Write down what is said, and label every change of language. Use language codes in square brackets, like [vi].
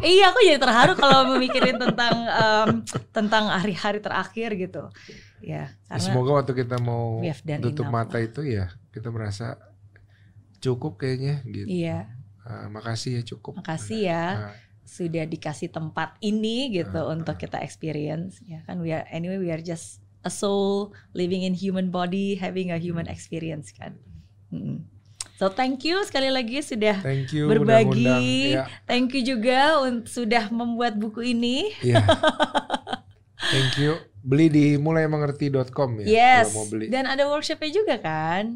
[id] Iya, aku jadi terharu kalau memikirin tentang tentang hari-hari terakhir gitu. Ya, karena semoga waktu kita mau tutup mata itu ya kita merasa cukup kayaknya gitu. Iya. Makasih ya cukup. Makasih ya sudah dikasih tempat ini gitu untuk kita experience. Ya kan, [en] we are just a soul living in human body having a human experience kan. So thank you [id] sekali lagi sudah berbagi. [en] Thank you [id] juga sudah membuat buku ini. [en] Yeah. Thank you. [id] Beli di mulaimengerti.com ya. Yes. Kalau mau beli. Dan ada workshopnya juga kan?